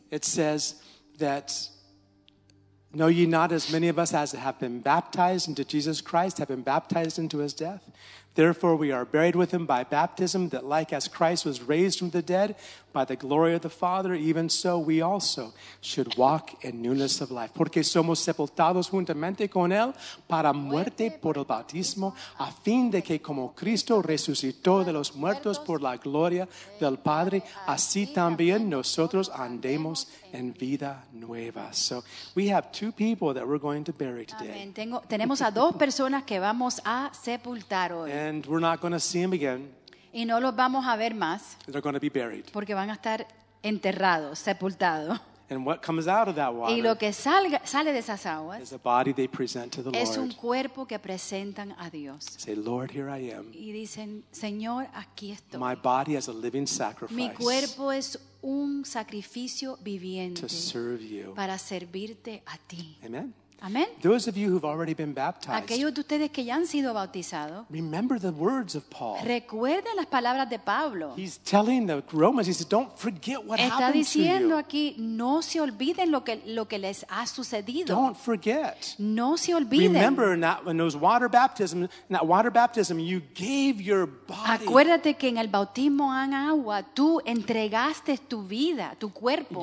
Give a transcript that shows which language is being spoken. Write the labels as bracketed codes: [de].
[en] It says that know ye not as many of us as have been baptized into Jesus Christ have been baptized into his death. Therefore, we are buried with him by baptism, that like as Christ was raised from the dead by the glory of the Father, even so we also should walk in newness of life. [es] Porque somos sepultados juntamente con él para muerte por el bautismo, a fin de que como Cristo resucitó de los muertos por la gloria del Padre, así también nosotros andemos en vida nueva. [en] So we have two people that we're going to bury today. [es] Tenemos a dos personas que vamos a sepultar hoy. [en] And we're not going to see them again. [es] Y no los vamos a ver más. [en] They're going to be buried. [es] Porque van a estar enterrados, sepultados. [en] And what comes out of that water, [es] y lo que sale de esas aguas, [en] is a body they present to the [es] es Es un cuerpo que presentan a Dios. [en] Say, Lord, here I am. [es] Y dicen, Señor, aquí estoy. [en] My body is a living sacrifice. [es] Mi cuerpo es un sacrificio viviente. [en] To serve you. [es] Para servirte a ti. [en] Amen. [es] Amen. [en] Those of you who've already been baptized, [es] aquellos de ustedes que ya han sido bautizados, [en] remember the words of Paul. [es] Recuerden las palabras de Pablo. [en] He's telling the Romans, he says, don't forget what [es] está [en] happened [es] diciendo [en] to [es] aquí, no se olviden lo que les ha sucedido. [en] Don't forget. [es] No se olviden. [en] Remember in that water baptism, you gave your body. [es] Acuérdate que en el bautismo en agua tú entregaste tu vida, tu cuerpo.